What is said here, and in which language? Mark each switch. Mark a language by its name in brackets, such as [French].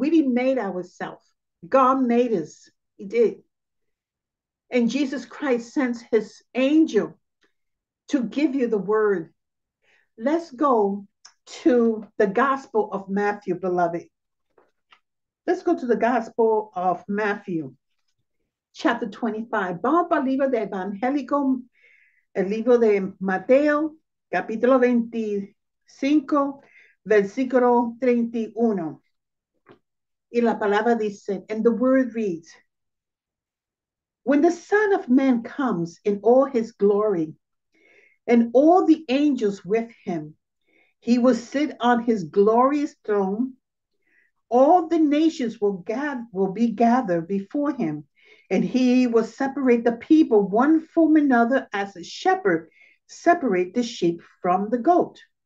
[English] We didn't make ourselves. God made us. He did. And Jesus Christ sends his angel to give you the word. Let's go to the Gospel of Matthew, beloved. Let's go to the Gospel of Matthew. Chapter 25, [Spanish] vamos para el libro de Evangelico, el libro de Mateo, capítulo 25, versículo 31. Y la palabra dice, [English] and the word reads, when the Son of Man comes in all his glory, and all the angels with him, he will sit on his glorious throne, all the nations will be gathered before him, and he will separate the people one from another as a shepherd separate the sheep from the goat.